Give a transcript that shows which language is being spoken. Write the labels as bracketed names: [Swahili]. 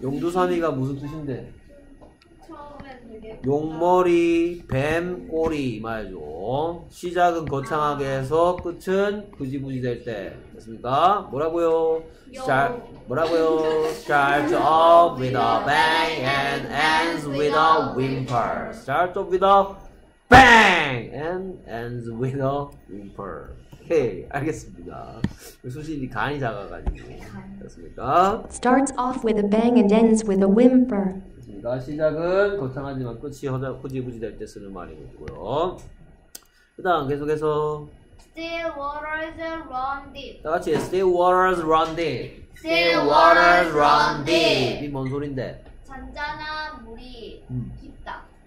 [Korean] 용두사미가 무슨 뜻인데? 처음엔 되게 용머리, 뱀, 꼬리 말이죠. 시작은 거창하게 해서 끝은 부지부지 될 때. 됐습니까? 뭐라고요? 뭐라고요? [English] Start off with a bang and ends with a whimper. Start off with a bang and ends with a whimper. [Korean] Okay, 알겠습니다. 수신이 간이 작아가지고. 됐습니까? [English] Starts off with a bang and ends with a whimper. [Korean] 됐습니까? 시작은 거창하지만 끝이 허지부지 될 때 쓰는 말이고요. 그 다음 계속해서 [English] Still waters run deep. [Korean] 다 같이 [English] Still waters run deep. Still waters run deep. [Korean] 이게 뭔 소린데? 잔잔한 물이 깊다.